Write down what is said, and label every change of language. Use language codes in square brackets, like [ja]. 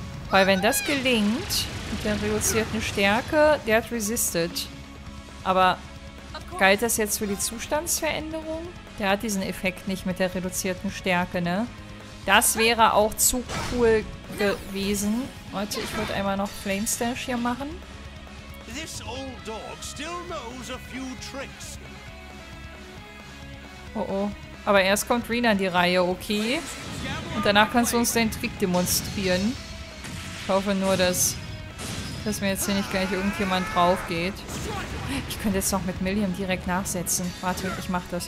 [de] Weil wenn das gelingt, mit der reduzierten Stärke, der hat resistet. Aber galt das jetzt für die Zustandsveränderung? Der hat diesen Effekt nicht mit der reduzierten Stärke, ne? Das wäre auch zu cool gewesen. Warte, ich würde einmal noch Flamestash hier machen. [en] This old dog still knows a few tricks. Oh oh. [de] Aber erst kommt Rin an die Reihe, okay? Und danach kannst du uns deinen Trick demonstrieren. Ich hoffe nur, dass mir jetzt hier nicht gleich irgendjemand drauf geht. Ich könnte jetzt noch mit Milliam direkt nachsetzen. Warte, ich mach das.